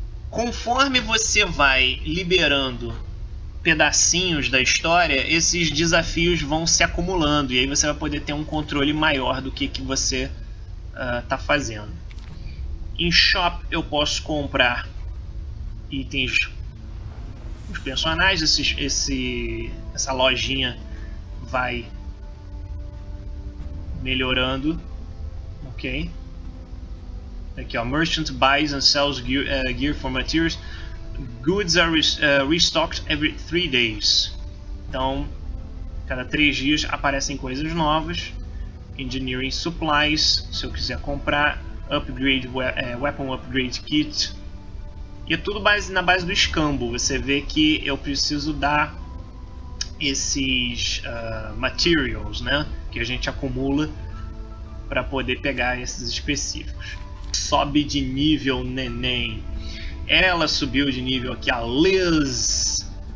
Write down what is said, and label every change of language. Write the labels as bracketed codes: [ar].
[pt] Conforme você vai liberando pedacinhos da história, esses desafios vão se acumulando e aí você vai poder ter um controle maior do que você tá fazendo. Em shop eu posso comprar itens, os personagens, essa lojinha vai melhorando, ok? Aqui ó, [en] merchant buys and sells gear for materials. Goods are restocked every 3 days. [pt] Então, cada 3 dias aparecem coisas novas. [en] Engineering supplies, [pt] se eu quiser comprar. [en] Upgrade, weapon upgrade kit. [pt] E é tudo na base do escambo. Você vê que eu preciso dar esses materials, né? Que a gente acumula para poder pegar esses específicos. Sobe de nível, neném. Ela subiu de nível aqui, a Liz.